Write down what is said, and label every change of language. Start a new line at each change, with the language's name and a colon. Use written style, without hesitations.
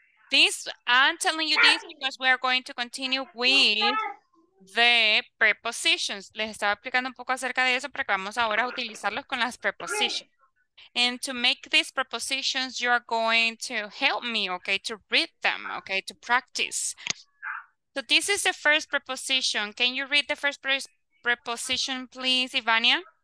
English: This, I'm telling you this because we are going to continue with the prepositions.
Spanish: Les estaba explicando un poco acerca de eso, pero vamos ahora a utilizarlos con las prepositions.
English: And to make these prepositions, you are going to help me, okay, to read them, okay, to practice. So this is the first preposition. Can you read the first preposition, please, Ivania?